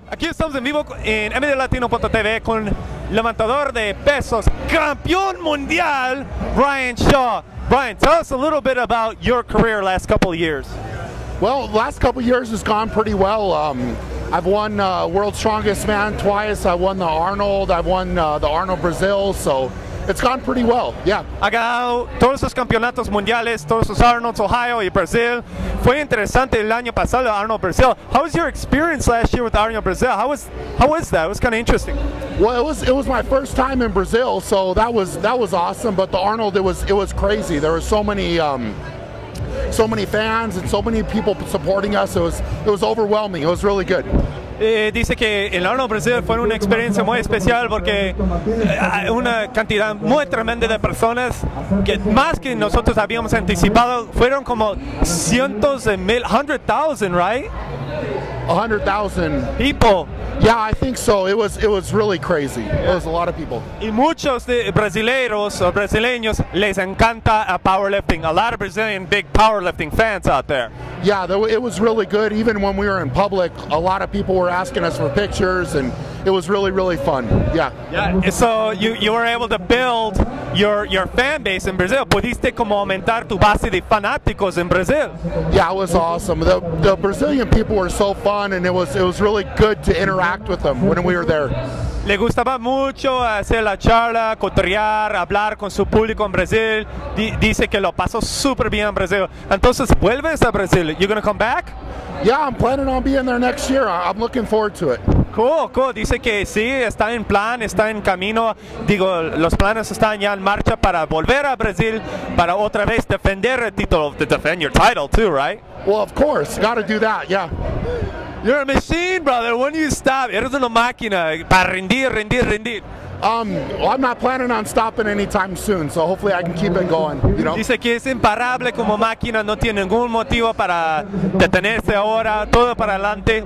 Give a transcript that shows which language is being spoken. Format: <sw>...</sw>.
<es>estamos en vivo en mdlatino.tv con levantador de pesos, campeón mundial, Brian Shaw.</es> <en>Brian, tell us a little bit about your career last couple of years. Well, last couple of years has gone pretty well. I've won World's Strongest Man twice. I won the Arnold. I've won the Arnold Brazil. So it's gone pretty well. Yeah.</en> <es>Ha ganado todos los campeonatos mundiales, todos los Arnolds, Ohio y Brazil. Fue interesante el año pasado, Arnold Brazil.</es> <en>How was your experience last year with Arnold Brazil? How was that? It was kind of interesting. Well, it was my first time in Brazil, so that was awesome. But the Arnold, it was crazy. There were so many fans and so many people supporting us. It was overwhelming. It was really good.</en> <es>Dice que el Arnold Brazil fue una experiencia muy especial porque una cantidad muy tremenda de personas, que más que nosotros habíamos anticipado, fueron como cientos de mil, 100,000,</es> <en>right? 100,000 people. Yeah, I think so. It was really crazy. Yeah. It was a lot of people.</en> <es>Y muchos de brasileiros o brasileños les encanta a powerlifting.</es> <en>A lot of Brazilian big powerlifting fans out there. Yeah, it was really good. Even when we were in public, a lot of people were asking us for pictures, and it was really, really fun. Yeah. Yeah. So you were able to build your fan base in Brazil.</en> <es>Pudiste como aumentar tu base de fanáticos en Brasil.</es> <en>Yeah, it was awesome. The Brazilian people were so fun, and it was really good to interact with them when we were there.</en> <es>Le gustaba mucho hacer la charla, cotorrear, hablar con su público en Brasil. Dice que lo pasó super bien en Brasil. Entonces, ¿vuelves a Brasil?</es> <en>You're gonna come back? Yeah, I'm planning on being there next year. I'm looking forward to it. Cool.</en> <es>Dice que sí, está en plan, está en camino. Digo, los planes están ya en marcha para volver a Brasil, para otra vez defender el título,</es> <en>to defend your title too, right? Well, of course. Got to do that, yeah. You're a machine, brother. When you stop,</en> <es>eres una máquina para rendir.</es> <en>Well, I'm not planning on stopping anytime soon, so hopefully I can keep it going. You know.</en> <es>Dice que es imparable como máquina, no tiene ningún motivo para detenerse ahora, todo para adelante.</es>